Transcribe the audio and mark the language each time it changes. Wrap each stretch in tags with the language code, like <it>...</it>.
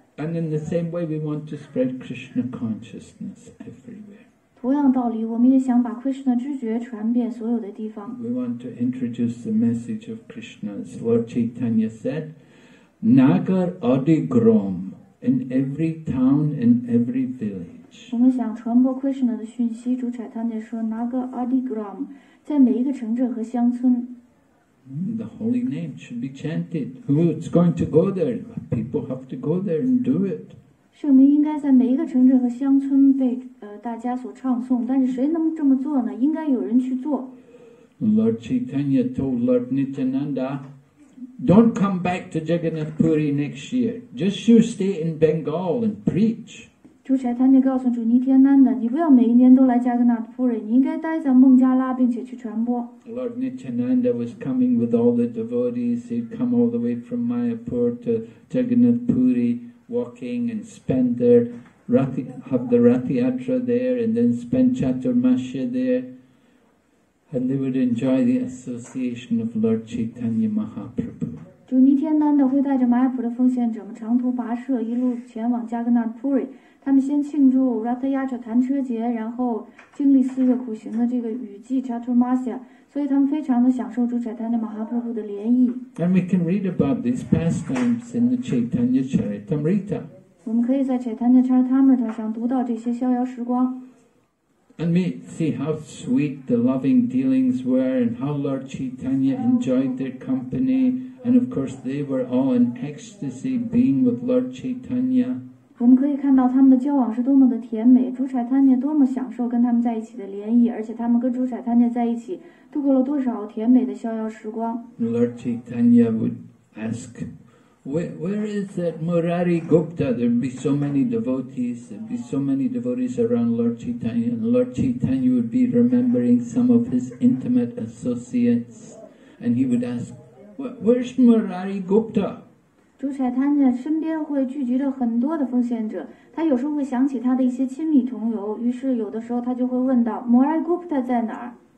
<en>And in the same way, we want to spread Krishna consciousness everywhere.</en> <zh>同样道理，我们也想把 Krishna 知觉传遍所有的地方。</zh> <en>We want to introduce the message of Krishna. As Lord Chaitanya said, "Nagar adigram in every town, in every village."</en> <zh>我们想传播 Krishna 的讯息。主 Chaitanya 说 ，"Nagar adigram 在每一个城镇和乡村。</zh> <en>The holy name should be chanted. Who's going to go there? People have to go there and do it.</en> <zh>圣名应该在每一个城镇和乡村被大家所唱诵，但是谁能这么做呢？应该有人去做。</zh> <en>Lord Chaitanya told Lord Nityananda, "Don't come back to Jagannath Puri next year. Just you stay in Bengal and preach."</en> <zh>主柴坦尼告诉主尼天南的，你不要每一年都来加格纳普瑞，你应该待在孟加拉，并且去传播。</zh> <en>Lord Nityananda was coming with all the devotees. He'd come all the way from Mayapur to Jagannath Puri, walking and spend their Rathi, have the Rathi Yatra there, and then spend Chaturmasya there, and they would enjoy the association of Lord Chaitanya Mahaprabhu.</en> <zh>主尼天南的会带着马雅普的奉献者们长途跋涉，一路前往加格纳普瑞。他们先庆祝 Ratha Yatra 弹车节，然后经历四月苦行的这个雨季 Chaturmasya， 所以他们非常的享受主 Chaitanya Mahaprabhu 的涟漪。</zh> <en>And we can read about these pastimes in the Chaitanya Charitamrita.</en> <zh>我们可以在 Chaitanya Charitamrita 上读到这些逍遥时光。</zh> <en>And we see how sweet the loving dealings were, and how Lord Chaitanya enjoyed their company, and of course they were all in ecstasy being with Lord Chaitanya.</en> <zh>我们可以看到他们的交往是多么的甜美，主柴坦涅多么享受跟他们在一起的联谊，而且他们跟主柴坦涅在一起度过了多少甜美的逍遥时光。</zh> <en>Lord Chaitanya would ask, where is that Murari Gupta? There'd be so many devotees, there'd be so many devotees around Lord Chaitanya, and Lord Chaitanya would be remembering some of his intimate associates, and he would ask, where's Murari Gupta?</en> <zh>主柴坦涅身边会聚集着很多的奉献者，他有时候会想起他的一些亲密同游，于是有的时候他就会问到 Murari Gupta 在哪儿。</zh>